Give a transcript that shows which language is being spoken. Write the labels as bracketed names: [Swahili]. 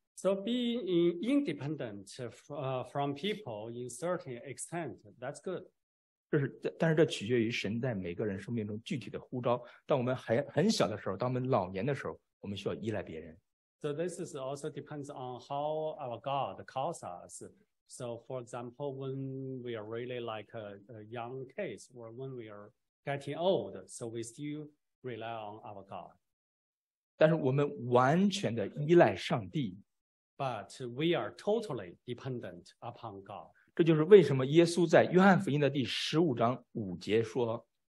[English] So being independent from people in certain extent, that's good. [Chinese] 这是但是这取决于神在每个人生命中具体的呼召。当我们很小的时候，当我们老年的时候，我们需要依赖别人。 [English] So this is also depends on how our God calls us. So for example, when we are really like a young kid, or when we are getting old, so we still rely on our God. [Chinese] 但是我们完全的依赖上帝。 [English] But we are totally dependent upon God. [Chinese] 这就是为什么耶稣在约翰福音的第十五章五节说